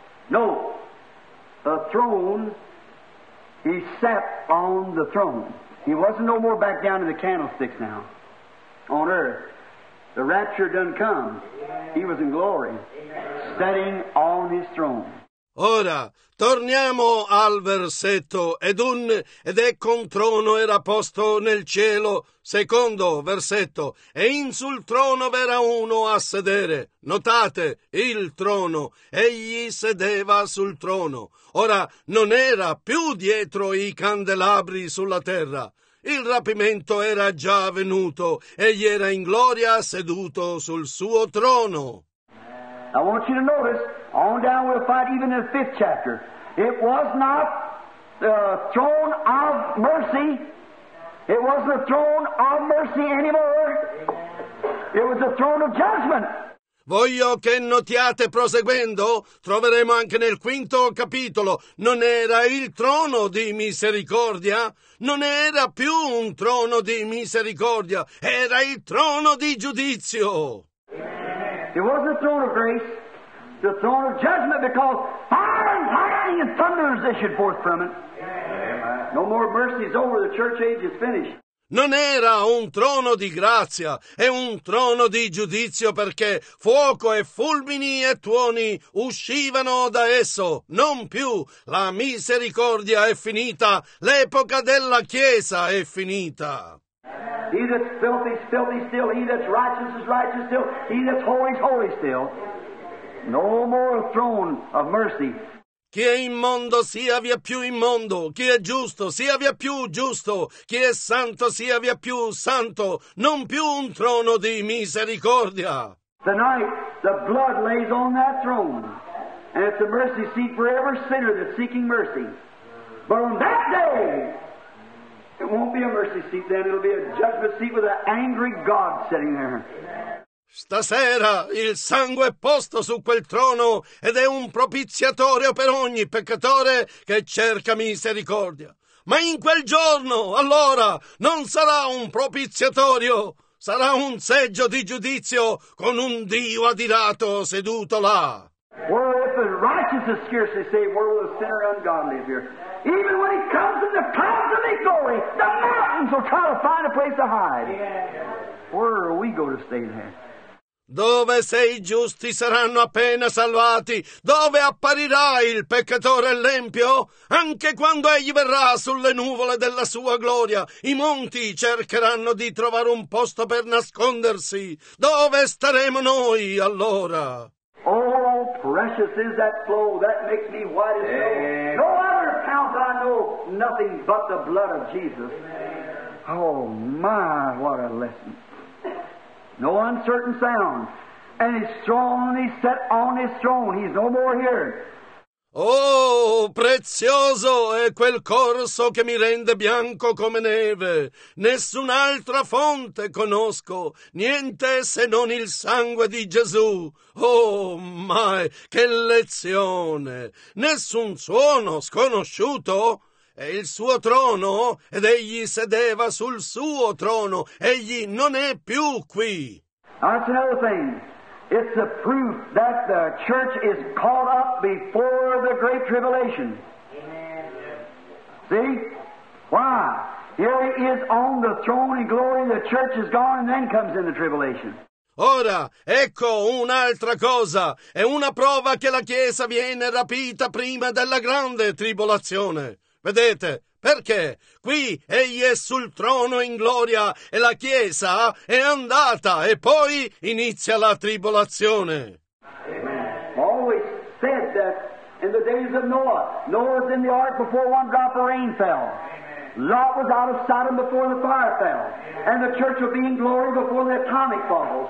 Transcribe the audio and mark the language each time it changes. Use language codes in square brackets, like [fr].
[en] No, a throne, he sat on the throne. He wasn't no more back down in the candlesticks now, on earth. The rapture done come. He was in glory, sitting on his throne. [it] Ora, torniamo al versetto Edun, ed ecco un trono era posto nel cielo. Secondo versetto, e in sul trono v'era uno a sedere. Notate, il trono, egli sedeva sul trono. Ora, non era più dietro i candelabri sulla terra. Il rapimento era già avvenuto, egli era in gloria seduto sul suo trono. [en] I want you to notice, on down we'll find even in the fifth chapter, it was not the throne of mercy. It wasn't the throne of mercy anymore. It was the throne of judgment. [it] Voglio che notiate, proseguendo, troveremo anche nel quinto capitolo, non era il trono di misericordia, non era più un trono di misericordia, era il trono di giudizio. [en] It wasn't the throne of grace, the throne of judgment, because fire and lightning and thunders issued forth from it. Amen. No more mercy is over, the church age is finished. [it] Non era un trono di grazia, è un trono di giudizio, perché fuoco e fulmini e tuoni uscivano da esso. Non più, la misericordia è finita, l'epoca della Chiesa è finita. [en] He that's filthy is filthy still, he that's righteous is righteous still, he that's holy is holy still. No more throne of mercy. [it] Chi è immondo sia via più immondo, chi è giusto sia via più giusto, chi è santo sia via più santo, non più un trono di misericordia. [en] Tonight the blood lays on that throne, and it's a mercy seat for every sinner that's seeking mercy. But on that day, it won't be a mercy seat then, it'll be a judgment seat with an angry God sitting there. [it] Stasera il sangue è posto su quel trono ed è un propiziatorio per ogni peccatore che cerca misericordia. Ma in quel giorno, allora, non sarà un propiziatorio, sarà un seggio di giudizio con un Dio adirato seduto là. [en] Well, if the righteous is scarcely saved, where will the sinner ungodly appear? Even when he comes in the clouds of his glory, the mountains will try to find a place to hide. Where are we going to stay then? [it] Dove se i giusti saranno appena salvati, dove apparirà il peccatore l'empio? Anche quando egli verrà sulle nuvole della sua gloria, i monti cercheranno di trovare un posto per nascondersi. Dove staremo noi allora? [en] Oh, precious is that flow that makes me white as snow. No other count I know, nothing but the blood of Jesus. Oh my, what a lesson. No uncertain sound, and he's strongly set on his throne. He's no more here. [it] Oh, prezioso è quel corso che mi rende bianco come neve. Nessun'altra fonte conosco, niente se non il sangue di Gesù. Oh, mai, che lezione! Nessun suono sconosciuto. È il suo trono, ed egli sedeva sul suo trono, egli non è più qui. [en] That's another thing. It's the proof that the church is caught up before the great tribulation. Amen. See? Why? Here he is on the throne in glory, the church is gone, and then comes in the tribulation. [it] Ora, ecco un'altra cosa, è una prova che la Chiesa viene rapita prima della grande tribolazione. Vedete, perché qui egli è sul trono in gloria e la Chiesa è andata e poi inizia la tribolazione. [en] Amen. Always said that in the days of Noah, Noah was in the ark before one drop of rain fell. Lot was out of Sodom before the fire fell. And the church will be in glory before the atomic falls.